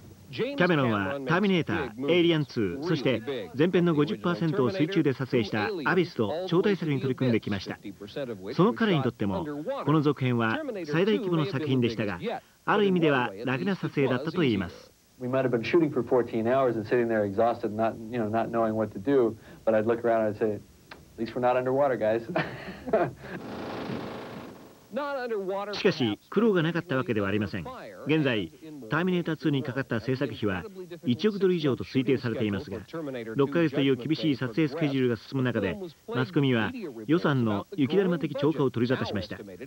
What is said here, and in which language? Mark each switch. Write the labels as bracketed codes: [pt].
[ja] キャメロンはターミネーター、エイリアン2、そして前編の 50% を水中で撮影したアビスと超大作に取り組んできました。その彼にとってもこの続編は最大規模の作品でしたが、ある意味では楽な撮影だったといいます。 [en] We might have been shooting for 14 hours and sitting there exhausted, not, you know, not knowing what to do, but I'd look around and I'd say, at least we're not underwater, guys. [ja] しかし苦労がなかったわけではありません。現在ターミネーター2にかかった制作費は1億ドル以上と推定されていますが、6ヶ月という厳しい撮影スケジュールが進む中でマスコミは予算の雪だるま的超過を取り沙汰しました。